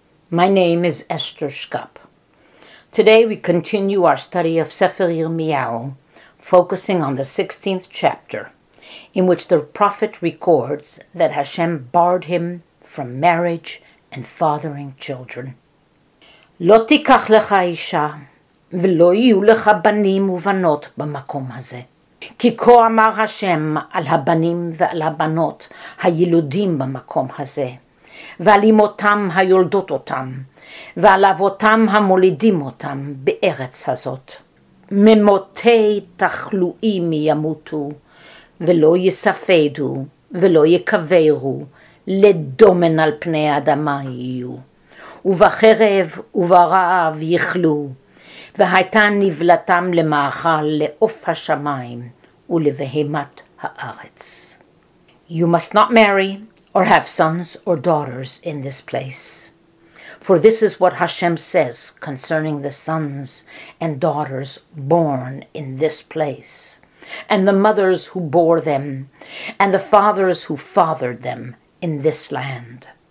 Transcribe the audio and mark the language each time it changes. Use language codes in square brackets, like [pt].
[en] My name is Esther Schupp. Today we continue our study of Sefer Yirmiyahu, focusing on the 16th chapter, in which the prophet records that Hashem barred him from marriage and fathering children. [he] Lo tikach lecha isha, ולא יהיו לך בנים ובנות במקום הזה. כי כה אמר השם על הבנים ועל הבנות הילודים במקום הזה, ועל אמותם היולדות אותם, ועל אבותם המולידים אותם בארץ הזאת. ממותי תחלואים ימותו, ולא יספדו, ולא יקברו, לדומן על פני האדמה יהיו. ובחרב וברעב יחלו, והייתה נבלתם למאכל לעוף השמיים ולבהמת הארץ. [en] You must not marry or have sons or daughters in this place. For this is what Hashem says concerning the sons and daughters born in this place, and the mothers who bore them, and the fathers who fathered them in this land.